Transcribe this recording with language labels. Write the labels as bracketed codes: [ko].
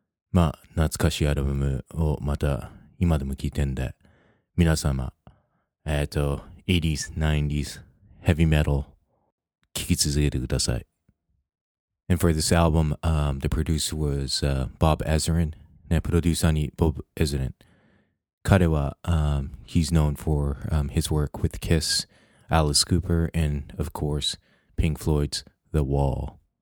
[ja] まあ、懐かしいアルバムをまた今でも聴いてんで、皆様、80s, 90s,Heavy metal, 聞き続けてください。 [en] And for this album, the producer was Bob Ezrin. [ja] プロデューサーにボブ・エズリン。彼は、 [en] he's known for his work with Kiss, Alice Cooper, and of course, Pink Floyd's The Wall.